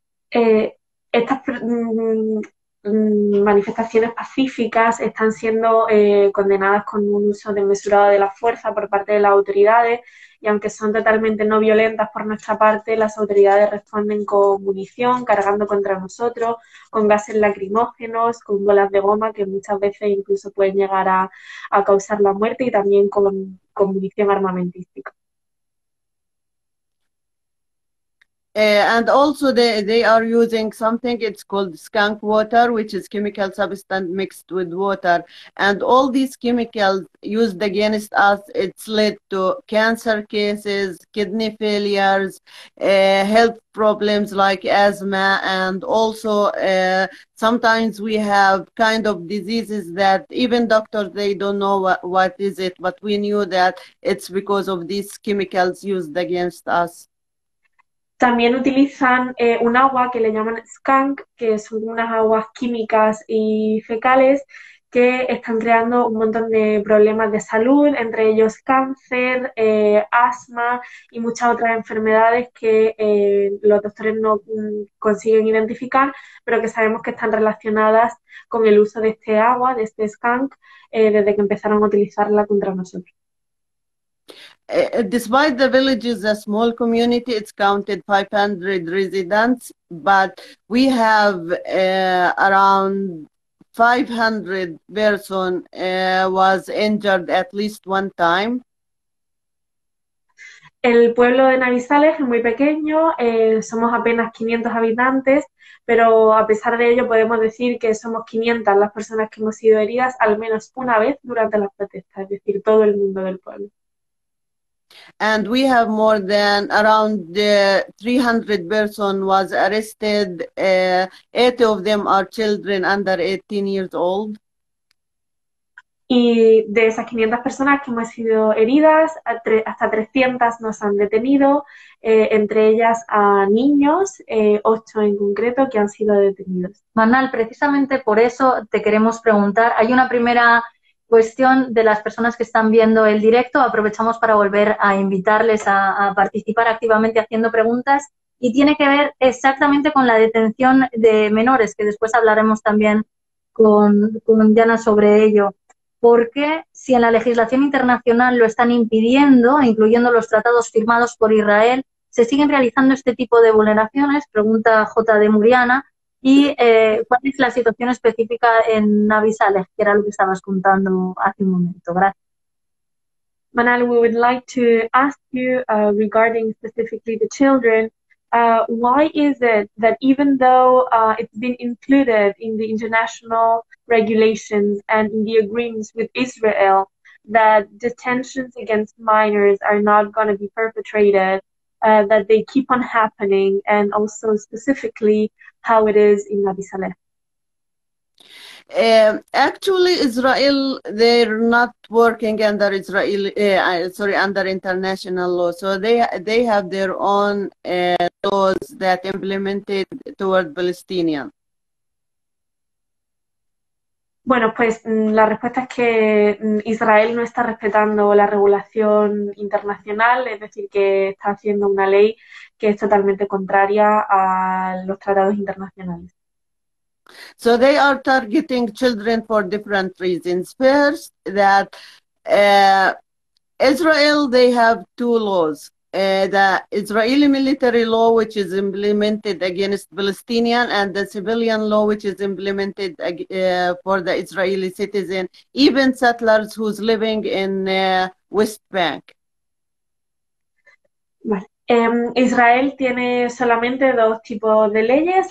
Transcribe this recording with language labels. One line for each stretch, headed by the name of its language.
Spanish: Estas manifestaciones pacíficas están siendo condenadas con un uso desmesurado de la fuerza por parte de las autoridades y aunque son totalmente no violentas por nuestra parte, las autoridades responden con munición, cargando contra nosotros, con gases lacrimógenos, con bolas de goma que muchas veces incluso pueden llegar a causar la muerte y también con munición armamentística.
English: And also they are using something, it's called skunk water, which is chemical substance mixed with water. And all these chemicals used against us, it's led to cancer cases, kidney failures, health problems like asthma, and also sometimes we have kind of diseases that even doctors, they don't know what is it, but we knew that it's because of these chemicals used against us.
Spanish: También utilizan un agua que le llaman skunk, que son unas aguas químicas y fecales que están creando un montón de problemas de salud, entre ellos cáncer, asma y muchas otras enfermedades que los doctores no consiguen identificar, pero que sabemos que están relacionadas con el uso de este agua, de este skunk, desde que empezaron a utilizarla contra nosotros.
English: Despite the village is a small community, it's counted 500 residents, but we have around 500 person was injured at least one time.
Spanish: El pueblo de Navizales es muy pequeño, somos apenas 500 habitantes, pero a pesar de ello podemos decir que somos 500 las personas que hemos sido heridas al menos una vez durante las protestas, es decir, todo el mundo del pueblo.
English: And we have more than around 300 persons was arrested. 80 of them are children under 18 years old.
Spanish: Y de esas 500 personas que hemos sido heridas, hasta 300 nos han detenido, entre ellas a niños, 8 en concreto, que han sido detenidos. Manal, precisamente por eso te queremos preguntar, hay una primera cuestión de las personas que están viendo el directo, aprovechamos para volver a invitarles a participar activamente haciendo preguntas, y tiene que ver exactamente con la detención de menores, que después hablaremos también con Janna sobre ello. Porque si en la legislación internacional lo están impidiendo, incluyendo los tratados firmados por Israel, se siguen realizando este tipo de vulneraciones, pregunta J. de Muriana, y ¿cuál es la situación específica en Navisales, que era lo que estabas contando hace un momento? Gracias.
English: Manal, we would like to ask you regarding specifically the children, why is it that even though it's been included in the international regulations and in the agreements with Israel that detentions against minors are not going to be perpetrated, that they keep on happening, and also specifically how it is in Nabi Saleh? Actually, Israel, they're not working under under international law. So they have their own laws that implemented toward Palestinians.
Spanish: Bueno, pues la respuesta es que Israel no está respetando la regulación internacional, es decir, que está haciendo una ley que es totalmente contraria a los tratados internacionales.
English: So they are targeting children for different reasons. First, that Israel, they have two laws. The Israeli military law, which is implemented against Palestinian, and the civilian law, which is implemented for the Israeli citizen, even settlers who's living in West Bank.
Spanish: Israel tiene solamente dos tipos de leyes.